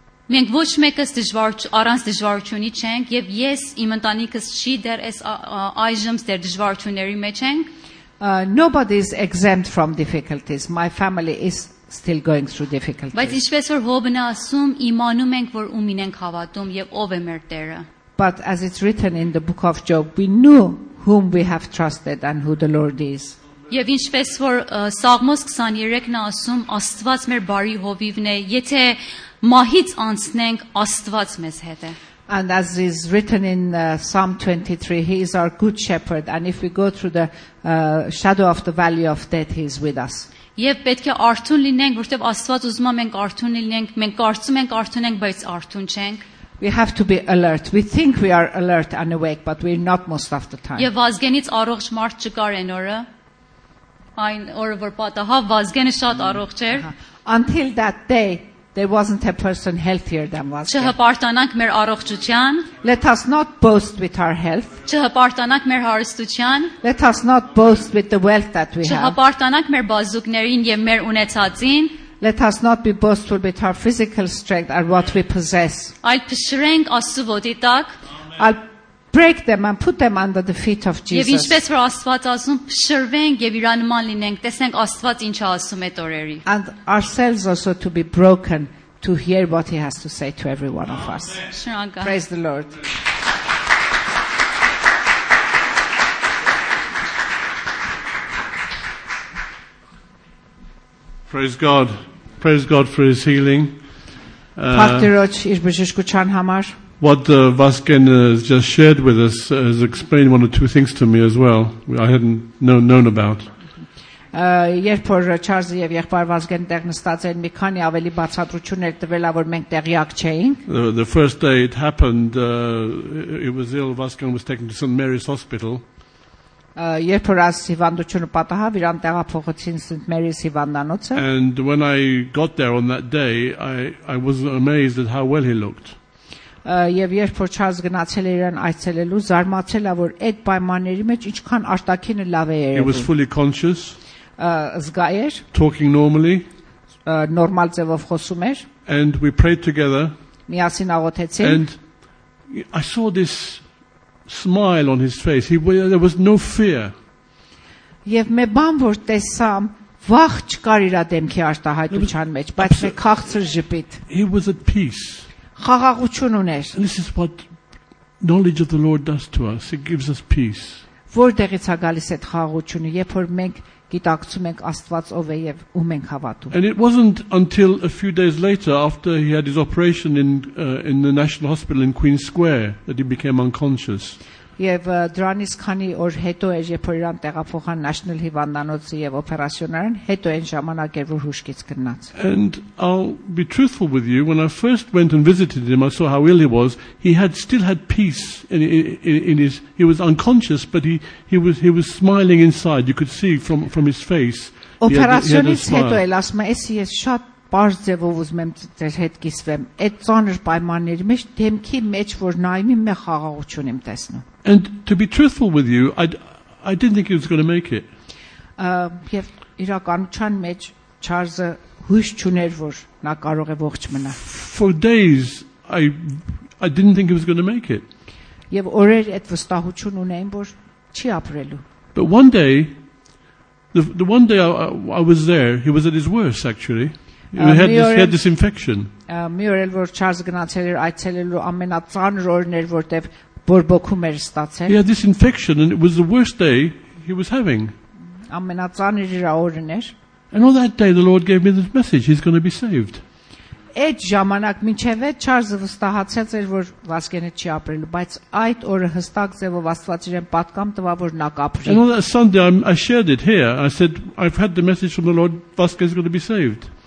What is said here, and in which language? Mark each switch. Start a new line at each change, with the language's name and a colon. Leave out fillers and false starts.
Armenian: Մենք ոչ մեկս առանց դժվարությունի չենք, եւ ես իմ ընտանիքս չի դեռ այս այժմ ձեր դժվարությունների մեջ ենք.
English: Nobody is exempt from difficulties. My family is still going through difficulties.
Armenian: Բայց ինչպես որ Հոբն ասում, իմանում ենք, որ ում ենք հավատում եւ ով է մեր Տերը.
English: But as it's written in the book of Job, we know whom we have trusted and who the Lord is.
Armenian: Եվ ինչպես որ Սաղմոս 23-ն ասում, Աստված մեր բարի հովիվն է, եթե մահից անցնենք, Աստված մեզ հետ է։
English: And as is written in Psalm 23, He is our good shepherd. And if we go through the shadow of the valley of death, He is with us.
Armenian: Եվ պետք է արթուն լինենք, որովհետև Աստված ուզում է մենք արթուն լինենք, մենք կարծում ենք արթուն ենք, բայց արթուն չենք.
English: We have to be alert. We think we are alert and awake, but we're not most of the time.
Armenian: Եվ վազգենից առողջ մարդ չկար այն օրը, այն օրը, որ պատահավ, վազգենը շատ առողջ էր.
English: Until that day, there wasn't a person healthier than Vazgen.
Armenian: Չհպարտանանք մեր առողջության.
English: Let us not boast with our health.
Armenian: Չհպարտանանք մեր հարստության.
English: Let us not boast with the wealth that we have.
Armenian: Չհպարտանանք մեր բազուկներին եւ մեր ունեցածին.
English: Let us not be boastful with our physical strength or what we possess.
Armenian: Այլ փշրենք Աստծո ոտի տակ.
English: I'll break them and put them under the feet of Jesus.
Armenian: Եվ ինչպես որ Աստված ասում, փշրվենք եւ իրան նման լինենք, տեսնենք Աստված ինչ է ասում այդ օրերի.
English: And ourselves also to be broken to hear what he has to say to every one of us.
Armenian: Շնորհակալ.
English: Praise the Lord. Praise God. Praise God for his healing. What Vazgen has just shared with us has explained one or two things to me as well I hadn't known about.
Armenian: Երբ որ Չարզը եւ եղբայր Վազգենը տեղ նստած էին, մի քանի ավելի բացատրություններ տվելա, որ մենք տեղյակ չէինք։
English: The first day it happened, it was ill. Vazgen was taken to St. Mary's Hospital.
Armenian: Երբ որ աս հիվանդությունը պատահավ, իրան տեղափոխեցին St. Mary's հիվանդանոցը։
English: And when I got there on that day, I was amazed at how well he looked.
Armenian: Եվ երբ որ Չարզ գնացել էր իրան այցելելու, զարմացելա, որ այդ պայմանների մեջ ինչքան արտաքինը լավ է երևում։
English: He was fully conscious.
Armenian: Զգայ էր։
English: Talking normally.
Armenian: Նորմալ ձևով խոսում էր։
English: And we prayed together.
Armenian: Միասին աղոթեցին։
English: And I saw this smile on his face. There was no fear.
Armenian: Եվ մի բան որ տեսամ, վախ չկար իր դեմքի արտահայտության մեջ, բայց մի քաղցր ժպիտ։
English: He was at peace.
Armenian: Խաղաղություն ուներ.
English: This is what knowledge of the Lord does to us. It gives us peace.
Armenian: Որտեղից է գալիս այդ խաղաղությունը, երբ որ մենք գիտակցում ենք Աստված ով է եւ ու մենք հավատում։
English: And it wasn't until a few days later after he had his operation in the National Hospital in Queen Square that he became unconscious.
Armenian: Եվ դրանից քանի օր հետո էր, երբ որ իրան տեղափոխան National Հիվանդանոցի եւ օպերացիոնարան, հետո այն ժամանակ էր, որ հուշկից գնաց։
English: And I'll be truthful with you, when I first went and visited him, I saw how ill he was. He had still had peace in his, he was unconscious, but he was smiling inside. You could see from his face.
Armenian: Օպերացիոնից հետո էլ ասում է, «Էսի ես շատ բարձ ձևով ուզում եմ ձեր հետ կիսվեմ»։ Այդ ծանր պայմանների մեջ դեմքի մեջ որ նայում եմ, մի խաղաղություն եմ տեսնում։
English: And to be truthful with you, I didn't think he was going to make it.
Armenian: Եվ իրականության մեջ Չարզը հույս չուներ, որ նա կարող է ողջ մնա։
English: For days I didn't think he was going to make it.
Armenian: Եվ օրեր այդ վստահություն ունեին, որ չի ապրելու։
English: But one day, the one day I was there, he was at his worst actually. He had this infection.
Armenian: Մի օր էլ որ Չարզը գնացել էր այցելելու ամենածանր օրն էր, որտեղ բորբոքում էր ստացել։
English: He had this infection and it was the worst day he was having.
Armenian: Ամենածանր իր օրն էր։
English: And on that day the Lord gave me this message, he's going to be saved.
Armenian: Այդ ժամանակ մինչև էլ Չարզը վստահացած էր, որ Վազգենը չի ապրելու, բայց այդ օրը հստակ ձևով Աստված իրեն պատկամ տվա, որ նա կապրի։
English: And on that Sunday I shared it here. I said I've had the message from the Lord, Vasquez is going to be saved.